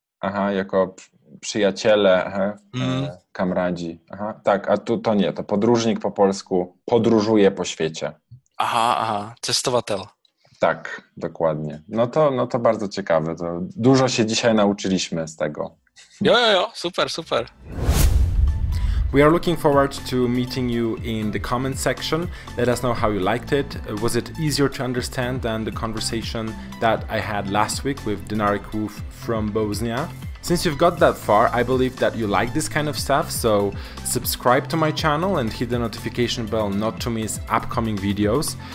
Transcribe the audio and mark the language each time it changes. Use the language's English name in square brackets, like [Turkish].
[Czech] Aha, jako přijatele, kamarádi. [Polish] Aha, tak, a to nie, to podružník po polsku podružuje po světě. [Czech] Aha, cestovatel. [Polish] Tak, dokładnie. No to bardzo ciekawe, to dużo się dzisiaj nauczyliśmy z tego. [Czech] Jo, super. [English] We are looking forward to meeting you in the comment section. Let us know how you liked it. Was it easier to understand than the conversation that I had last week with Dinarik Wolf from Bosnia? Since you've got that far, I believe that you like this kind of stuff, so subscribe to my channel and hit the notification bell not to miss upcoming videos.